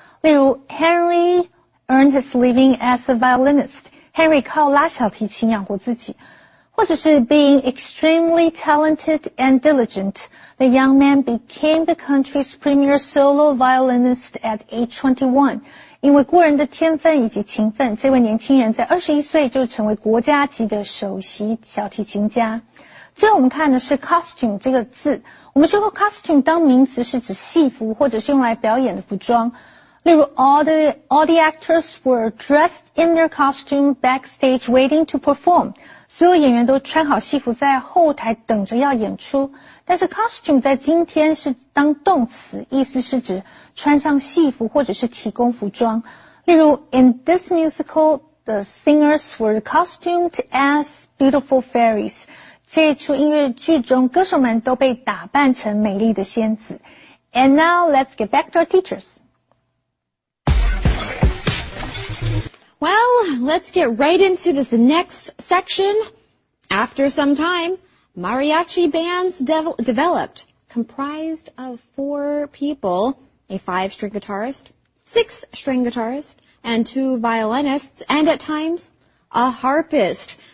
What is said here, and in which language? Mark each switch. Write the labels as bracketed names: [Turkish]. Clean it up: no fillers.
[Chinese] 例如 [English] Henry earned his living as a violinist， Henry [Chinese] 靠拉小提琴养活自己。或者是 [English] being extremely talented and diligent， the young man became the country's premier solo violinist at age 21. [Chinese] 因为过人的天分以及勤奋，这位年轻人在21岁就成为国家级的首席小提琴家。最后我们看的是 costume 这个字。我们说过 costume 当名词是指戏服或者是用来表演的服装。 [English] Literally, all the actors were dressed in their costume backstage waiting to perform. [Chinese] 所有演员都穿好戏服在后台等着要演出。但是 costume 在今天是当动词，意思是指穿上戏服或者是提供服装。例如 [English] ,in this musical, the singers were costumed as beautiful fairies. [Chinese] 这一出音乐剧中歌手们都被打扮成美丽的仙子。 [English] And now, let's get back to our teachers. Well, let's get right into this next section. After some time, mariachi bands developed, comprised of 4 people, a 5-string guitarist, 6-string guitarist, and 2 violinists, and at times, a harpist.